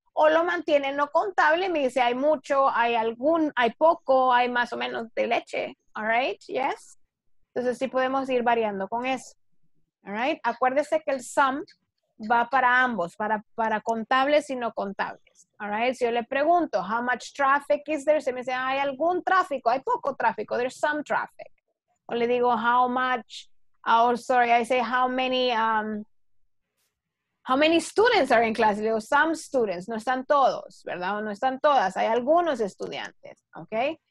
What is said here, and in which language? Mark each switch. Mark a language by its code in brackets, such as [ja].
[es] O lo mantiene no contable y me dice, hay mucho, hay poco, hay más o menos de leche, [en] all right? Yes? [es] Entonces sí podemos ir variando con eso, [en] all right? [es] Acuérdese que el sum va para ambos, para contables y no contables. [en] All right, [es] si yo le pregunto, [en] how much traffic is there? [es] Se me dice, hay algún tráfico, hay poco tráfico, [en] there's some traffic. [es] O le digo, [en] how much, I say, how many students are in class? [es] Le digo, [en] some students, [es] no están todos, ¿verdad? O no están todas, hay algunos estudiantes, ¿ok?